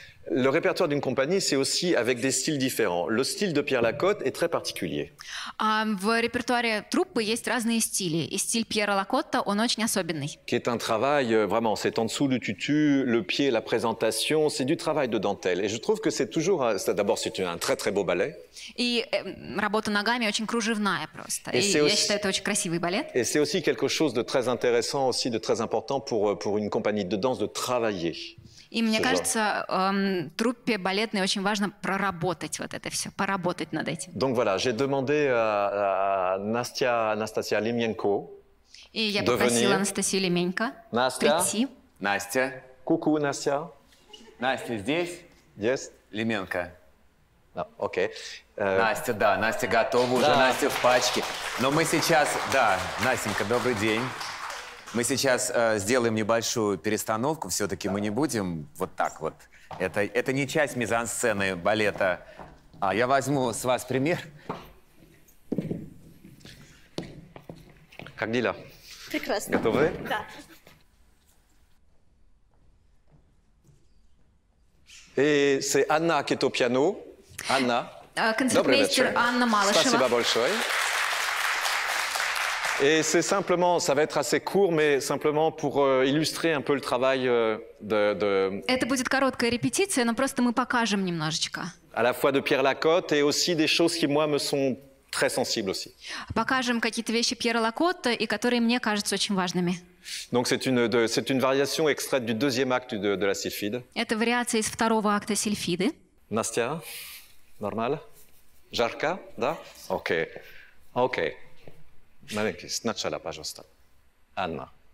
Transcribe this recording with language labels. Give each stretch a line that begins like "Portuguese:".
French: Le répertoire d'une compagnie, c'est aussi avec des styles différents. Le style de Pierre Lacotte est très particulier.
Russian: В репертуаре труппы есть разные стили. И стиль Пьера Лакотта, он очень особенный.
French: Qui est un travail, vraiment, c'est en dessous du tutu, le pied, la présentation, c'est du travail de dentelle. Et je trouve que c'est toujours... D'abord, c'est un très très beau ballet.
Russian: И работа ногами очень кружевная просто.
French: Et
Russian: я
French: aussi...
Russian: считаю, это очень красивый балет.
French: Et c'est aussi quelque chose de très intéressant, aussi de très important pour une compagnie de danse de travailler.
Russian: И мне кажется, труппе балетной очень важно проработать вот это все, поработать над этим.
French: Donc voilà, j'ai demandé à Anastasia Lemienko.
Russian: И я попросила Анастасию Лименко прийти. Настя. Ку-ку, Настя. Настя здесь?
English: Yes.
Russian: Лименко.
English: No, okay.
Russian: Настя, да, Настя готова уже, Настя в пачке. Но мы сейчас, да, Настенька, добрый день. Мы сейчас сделаем небольшую перестановку, все-таки мы не будем вот так вот. Это не часть мизансцены балета. А я возьму с вас пример. Как дела? Прекрасно. Готовы? Да. И это Анна, которая на пиано. Анна. Концертмейстер Анна Малышева. Спасибо большое.
French: Et c'est simplement, ça va être assez court, mais simplement pour illustrer un peu le travail de...
Russian: Это будет короткая репетиция, но просто мы покажем немножечко.
French: À la fois de Pierre Lacotte et aussi des choses qui, moi, me sont très sensibles aussi.
Russian: Покажем какие-то вещи Пьера Лакотта, и которые мне кажутся очень важными.
French: Donc c'est une variation extraite du deuxième acte de la Sylphide.
Russian: Это вариация из второго акта Сильфиды. Настя, нормал? Жарко, да? Окей. Okay. Маленький, сначала, пожалуйста. Анна.